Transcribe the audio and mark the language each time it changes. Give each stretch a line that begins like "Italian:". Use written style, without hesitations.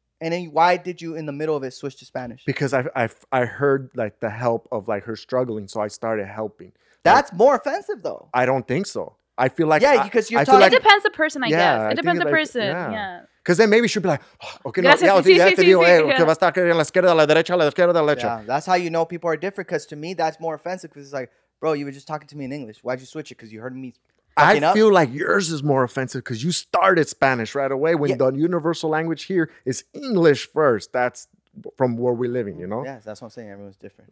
English: And then why did you, in the middle of it, switch to Spanish? Because I heard, like, the help of, like, her struggling, so I started helping. That's, like, more offensive, though. I don't think so. I feel like... Yeah, because you're talking... It depends the person, I guess. It depends the person. Yeah. Because then maybe she'll be like, oh, okay,
Spanish: gracias, no, sí, ya sí, te sí, digo, sí,
English: hey,
Spanish: sí,
English: okay, yeah.
Spanish: Va a estar aquí en la izquierda, la derecha, la izquierda, la derecha.
English: Yeah, that's how you know people are different, because to me, that's more offensive, because it's like, bro, you were just talking to me in English. Why'd you switch it? Because you heard me... I feel like yours is more offensive, because you started Spanish right away when the universal language here is English first. That's from where we're living, you know? Yeah, that's what I'm saying. Everyone's different.